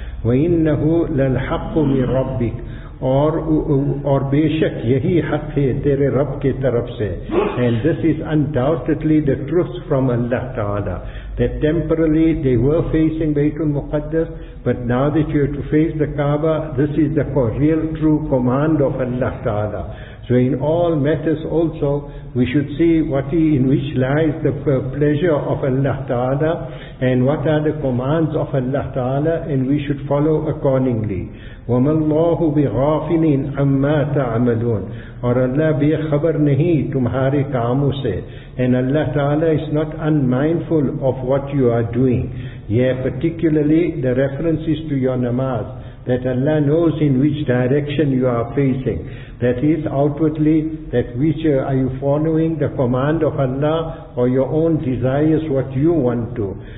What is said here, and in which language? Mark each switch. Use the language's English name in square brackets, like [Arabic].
[Arabic] Wa innahu lal haqqu min rabbik. [Urdu] Or beshak yahi haq hai tere rab ke taraf se, [English] and this is undoubtedly the truth from Allah Ta'ala, that temporarily they were facing Baytul Muqaddas, but now that you have to face the Kaaba, this is the real true command of Allah Ta'ala. So in all matters also, we should see what in which lies the pleasure of Allah Ta'ala, and what are the commands of Allah Ta'ala, and we should follow accordingly. [Arabic] وَمَا اللَّهُ بِغَافِلٍ عَمَّا تَعْمَلُونَ [Urdu] اور اللہ بے خبر نہیں تمہارے کاموں سے. [English] And Allah Ta'ala is not unmindful of what you are doing. Yeah, particularly the references to your namaz, that Allah knows in which direction you are facing. That is outwardly, that which are you following the command of Allah or your own desires, what you want to.